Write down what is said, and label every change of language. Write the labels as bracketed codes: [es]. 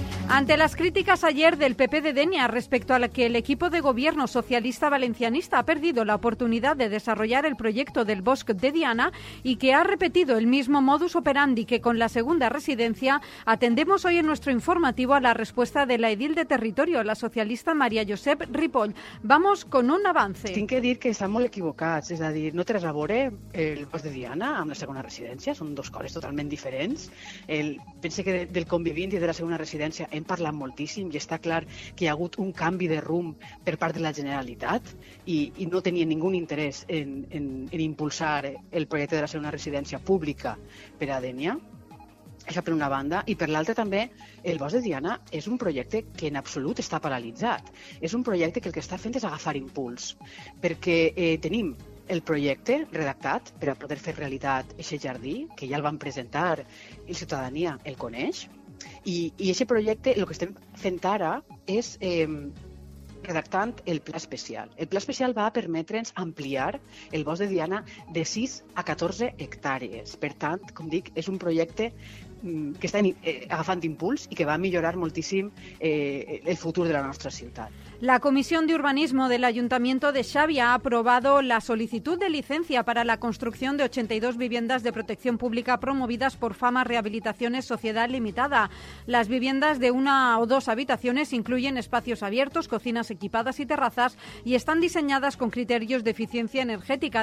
[es] Ante las críticas ayer del PP de Denia respecto a la que el equipo de gobierno socialista valencianista ha perdido la oportunidad de desarrollar el proyecto del Bosc de Diana y que ha repetido el mismo modus operandi que con la segunda residencia, atendemos hoy en nuestro informativo a la respuesta de la edil de territorio, la socialista María Josep Ripoll. Vamos con un avance. [ca] Tinc que dir que estan molt equivocats, és a dir, no té res a veure el Bosc de Diana amb la segona residència, són dos coses totalment diferents. Pense que del convivint i de la segona residència hem parlat moltíssim i està clar que hi ha hagut un canvi de rumb per part de la Generalitat i no tenia ningú interès en impulsar el projecte de la segona residència pública per a Denia. Això per una banda. I per l'altra també, el Bosc de Diana és un projecte que en absolut està paralitzat. És un projecte que el que està fent és agafar impuls, perquè tenim el projecte redactat per a poder fer realitat aquest jardí, que ja el van presentar i la ciutadania el coneix. I aquest projecte, el que estem fent ara, és redactant el pla especial. El pla especial va permetre'ns ampliar el Bosc de Diana de 6 a 14 hectàrees. Per tant, com dic, és un projecte que està agafant impuls i que va millorar moltíssim el futur de la nostra ciutat. [es] La Comisión de Urbanismo del Ayuntamiento de Xavia ha aprobado la solicitud de licencia para la construcción de 82 viviendas de protección pública promovidas por Fama Rehabilitaciones Sociedad Limitada. Las viviendas de una o dos habitaciones incluyen espacios abiertos, cocinas equipadas y terrazas y están diseñadas con criterios de eficiencia energética.